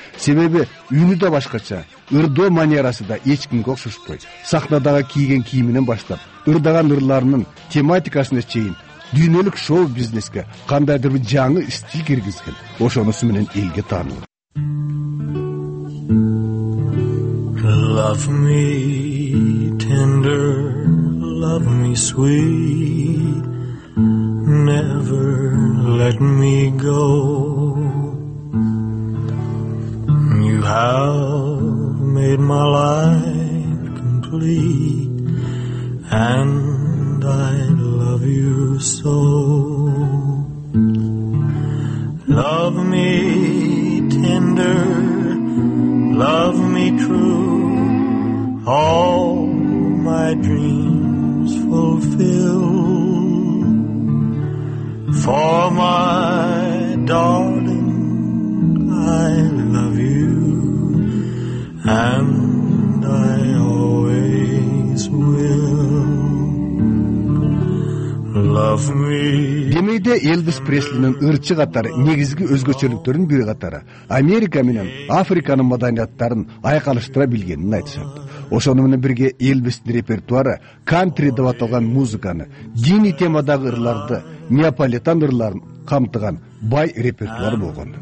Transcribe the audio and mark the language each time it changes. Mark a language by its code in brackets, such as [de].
[ky] Себеби үнү да башкача, ырдоо манерасы да эч кимге окшошпойт. Сахнадагы кийген кийиминен баштап ырдаган ырларынын тематикасына чейин дүйнөлүк шоу бизнеске кандайдыр бир жаңы стиль киргизген, ошонусу менен элге таанылган. [en] Love me tender, love me sweet, never let me go. You have made my life complete and I love you so. Love me tender, love me true, all my dreams fulfill. For my darling, I love you and I always will. [ky] Демейде Элвис Преслинин ырчы катары негизги өзгөчөлүктөрүн бири катары Америка менен Африканын маданияттарын айкалыштыра билгенин айтышат. Ошону менен бирге Элвистин репертуары кантри деп аталган музыканы, диний темадагы ырларды, неаполитан ырларын камтыган бай репертуар болгон.